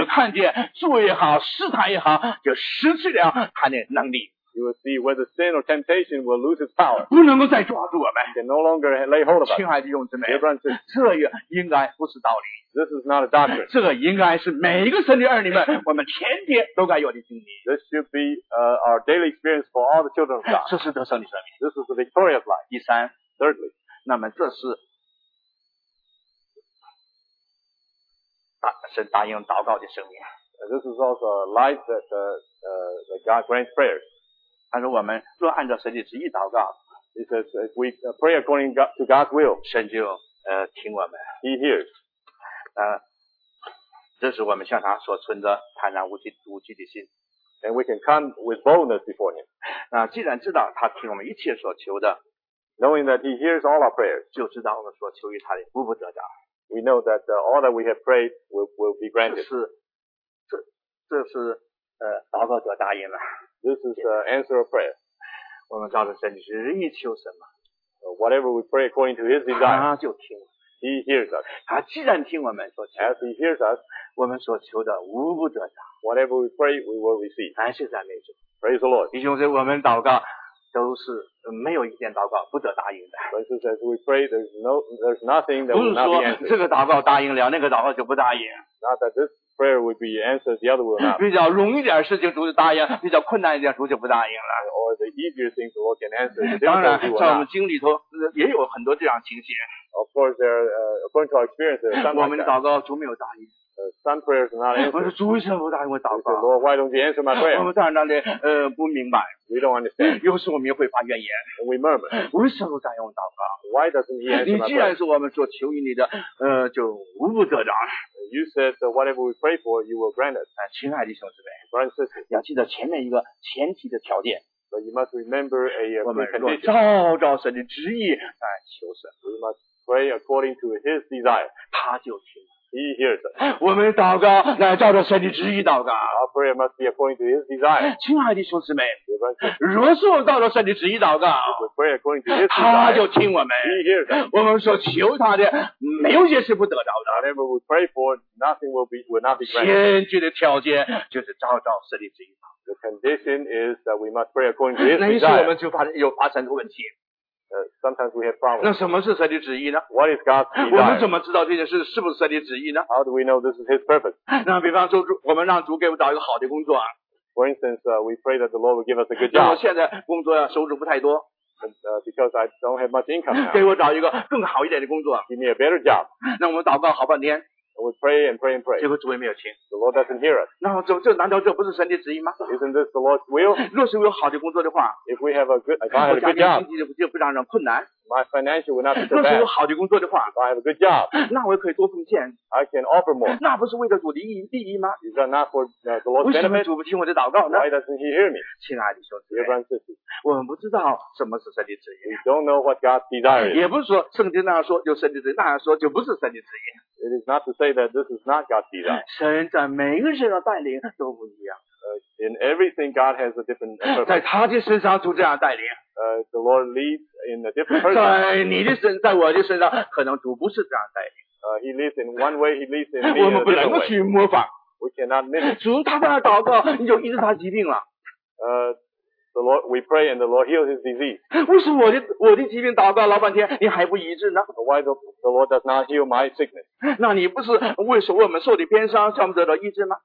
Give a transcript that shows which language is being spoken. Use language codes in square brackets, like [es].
[zh] 有看见罪也好，试探也好，就失去了他的能力。 [en] You will see whether sin or temptation will lose its power. [zh] 不能够再抓住我们。 [en] Can no longer lay hold of us. [zh] 亲爱的弟兄姊妹， [en] Dear brothers, [zh] 这应该不是道理。 [en] This is not a doctrine. [zh] 这应该是每一个神的儿女们，我们天天都该有的经历。 [en] This should be our daily experience for all the children of God. [zh] 这是得胜的生命。 [en] This is a victorious life. [zh] 第三 [en] ，Thirdly， [zh] 那么这是。神答应祷告的生命。 [en] This is also a life that God grants prayers. [zh] 他说我们若按照神的旨意祷告， [en] He says if we pray according to God's will, [zh] 神就听我们。 [en] He hears. [zh] 这是我们向他所存着坦然无惧的心。 [en] And we can come with boldness before Him. [zh] 那既然知道他听我们一切所求的， [en] knowing that He hears all our prayers, [zh] 就知道我们所求于他的不得着。 [en] We know that all that we have prayed will be granted. [zh] 这是祷告者答应了。 [en] This is the answer of prayer. [zh] 我们照着神旨意求什么？ [en] Whatever we pray according to His desire, [zh] 他就听。 [en] He hears us. [zh] 他既然听我们所求， [en] as He hears us, [zh] 我们所求的无不得着。 [en] Whatever we pray, we will receive. [zh] 感谢赞美主。 [en] Praise the Lord. [zh] 弟兄们，我们祷告。都是没有一件祷告不得答应的。 [en] Verses as we pray, there's nothing that will not be answered. [zh] 不是说这个祷告答应了，那个祷告就不答应。 [en] Not that this prayer would be answered, the other will not. [zh] 比较容易点事情主就答应，比较困难一点主就不答应了。 [en] Or the easier things the Lord can answer. [zh] 当然，在我们经里头也有很多这样情形。 [en] Of course, there according to our experience, [zh] 我们祷告主没有答应。 [en] Some prayers are not answered. [zh] 我说主为什么不答应我祷告？ [en] Lord, why don't you answer my prayer? [zh] 我们当然的不明白。 [en] We don't understand. [zh] 有时我们也会发怨言。 [en] We murmur. [zh] 为什么不答应我祷告？ [en] Why doesn't he answer my prayer? [zh] 你既然是我们所求于你的，就无不得着。 [en] You said whatever we pray for, you will grant us. [zh] 亲爱的兄弟们， [en] brothers and sisters, [zh] 你要记得前面一个前提的条件。 [en] But you must remember a condition. [zh] 我们若照着神的旨意来求神。 [en] We must pray according to His desire. [zh] 他就听。 [en] He hears us. [zh] 我们祷告乃照着神的旨意祷告。 [en] Our prayer must be according to His desire. [zh] 亲爱的兄弟们，若是我照着神的旨意祷告， [en] pray according to His desire, [zh] 他就听我们。 [en] He hears us. [zh] 我们所求他的，没有一件事不得着的。 [en] Whatever we pray for, nothing will not be granted. [zh] 先决的条件就是照着神的旨意祷告。 [en] The condition is that we must pray according to His desire. [zh] 那于是我们就发生问题。 [en] Sometimes we have problems. [zh] 那什么是神的旨意呢？ [en] What is God's desire? [zh] 我们怎么知道这件事是不是神的旨意呢？ [en] How do we know this is His purpose? [zh] 那比方说，我们让主给我找一个好的工作啊。 [en] For instance, we pray that the Lord will give us a good job. [zh] 那我现在工作收入不太多。 [en] Because I don't have much income. [zh] 给我找一个更好一点的工作。 [en] Give me a better job. [zh] 那我们祷告好半天。 [en] And we pray and pray and pray. [zh] 结果主也没有听。 [en] The Lord doesn't hear us. [zh] 然后这难道这不是神的旨意吗？ [en] Isn't this the Lord's will? [zh] 若是我有好的工作的话， [en] If we have a good, if I had a good job, [zh] 我家庭经济就不让人困难。 [en] My financial would not be so bad. [zh] 若是有好的工作的话， [en] If I have a good job, [zh] 那我也可以多奉献。 [en] I can offer more. [zh] 那不是为了主的利益吗？ [en] Is that not for the Lord's benefit? [zh] 为什么主不听我的祷告呢？ [en] Why doesn't he hear me? [zh] 亲爱的兄弟， [en] Dear brothers and sisters, [zh] 我们不知道什么是神的旨意。 [en] We don't know what God's desire is. [zh] 也不是说圣经那样说就神的旨意，那样说就不是神的旨意。 [en] It is not to say that this is not God's desire. [zh] 神在每个身上带领都不一样。 [en] In everything, God has a different purpose. [zh] 在他的身上主这样带领。 [en] The Lord leads in a different purpose. [zh] 在你的身，在我的身上，可能主不是这样带领。 [en] He leads in one way. He leads in another way. [zh] 我们不能够去模仿。 [en] We cannot mimic. [zh] 主他在那祷告，你就医治他疾病了。 [en] The Lord, we pray and the Lord heals his disease. [zh] 为什么我的疾病祷告老半天，你还不医治呢？ [en] Why the Lord does not heal my sickness? [zh] 那你不是为什么我们受的鞭伤，算不得到医治吗？